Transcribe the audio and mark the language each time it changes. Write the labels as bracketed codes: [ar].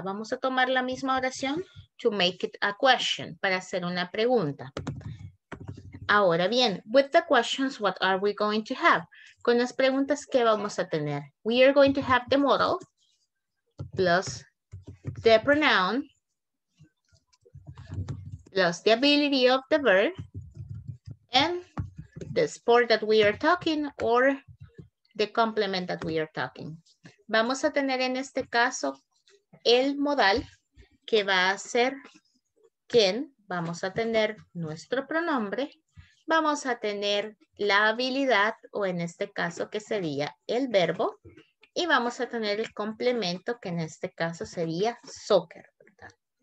[es] Vamos a tomar la misma oración [en] to make it a question, [es] para hacer una pregunta. Ahora bien, [en] with the questions, what are we going to have? [es] Con las preguntas, ¿qué vamos a tener? [en] We are going to have the model plus the pronoun plus the ability of the verb and the sport that we are talking or the complement that we are talking. [es] Vamos a tener en este caso el modal que va a ser can. Vamos a tener nuestro pronombre. Vamos a tener la habilidad o en este caso que sería el verbo. Y vamos a tener el complemento que en este caso sería soccer, ¿verdad?